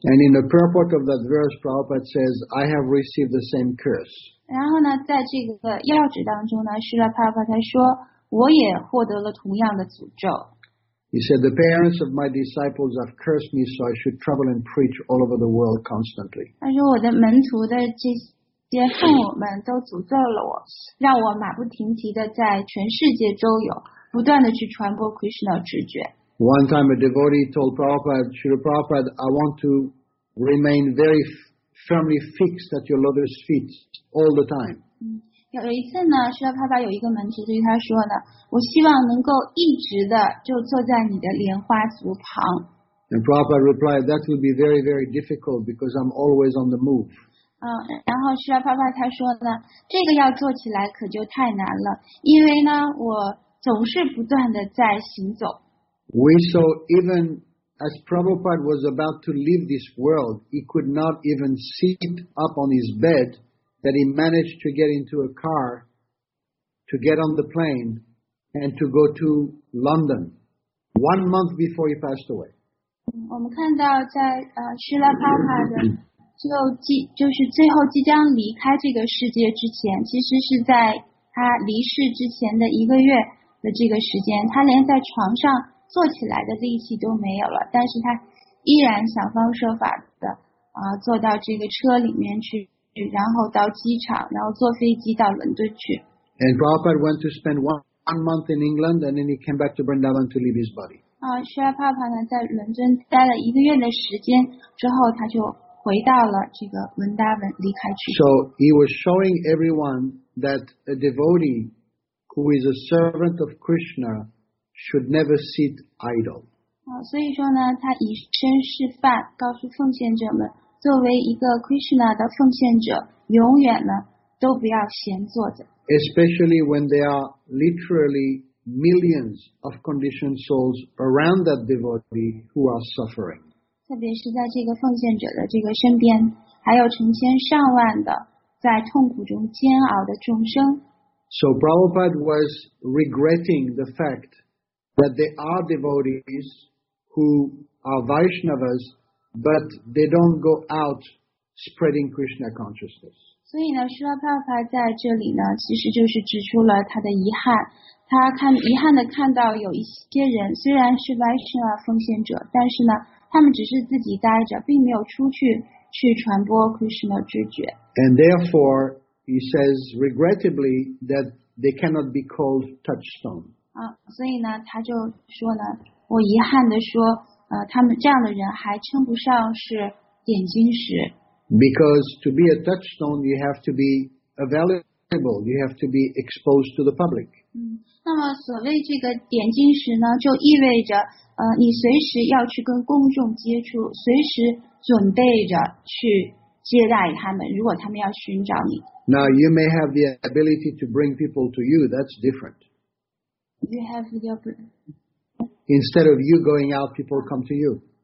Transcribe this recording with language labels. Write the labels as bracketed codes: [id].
[en] And in the purport of that verse, Prabhupada says, I have received the same curse. [zh] 然后呢，在这个要旨当中呢，Srila Prabhupada 他说，我也获得了同样的诅咒。 [en] He said, the parents of my disciples have cursed me, so I should travel and preach all over the world constantly. [zh] 他说，我的门徒的这些父母们都诅咒了我，让我马不停蹄地在全世界周游，不断地去传播 Krishna 直觉。 [en] One time a devotee told Prabhupada, Srila Prabhupada, I want to remain very firmly fixed at your lotus feet all the time. [zh] 有一次呢，Srila Prabhupada有一个门徒对他说呢，我希望能够一直地就坐在你的莲花足旁。 [en] And Prabhupada replied, that will be very, very difficult because I'm always on the move. [zh] 然后Srila Prabhupada他说呢，这个要做起来可就太难了，因为呢，我总是不断的在行走。 [en] We saw even as Prabhupada was about to leave this world, he could not even sit up on his bed, that he managed to get into a car, to get on the plane, and to go to London, 1 month before he passed away. [zh] 我们看到在Srila Prabhupada的就是最后即将离开这个世界之前，其实是在他离世之前的一个月的这个时间，他连在床上坐起来的力气都没有了，但是他依然想方设法的坐到这个车里面去，然后到机场，然后坐飞机到伦敦去。 [en] And Prabhupada went to spend one month in England, and then he came back to Vrindavan to leave his body. [zh] Srila Prabhupada 呢，在伦敦待了一个月的时间之后，他就回到了这个文达文离开去。 [en] So he was showing everyone that a devotee who is a servant of Krishna should never sit idle. [zh] 所以说呢，他以身示范，告诉奉献者们，作为一个 Krishna 的奉献者，永远呢都不要闲坐着。 [en] Especially when there are literally millions of conditioned souls around that devotee who are suffering. [zh] 特别是在这个奉献者的这个身边，还有成千上万的在痛苦中煎熬的众生。 [en] So Prabhupada was regretting the fact that there are devotees who are Vaishnavas, but they don't go out spreading Krishna consciousness. [zh] 所以呢，Srila Prabhupada在这里呢，其实就是指出了他的遗憾。他遗憾的看到有一些人虽然是 Vaishnava 奉献者，但是呢。他们只是自己待着，并没有出去去传播 Krishna 知觉。 [en] And therefore, he says, regrettably, that they cannot be called touchstone. [zh] 所以呢，他就说呢，我遗憾地说，他们这样的人还称不上是点金石。 [en] Because to be a touchstone, you have to be available, you have to be exposed to the public. [zh] 那么所谓这个点金石呢，就意味着。你随时要去跟公众接触，随时准备着去接待他们，如果他们要寻找你。 [en] Now you may have the ability to bring people to you, that's different. You have the ability. Instead of you going out, people come to you.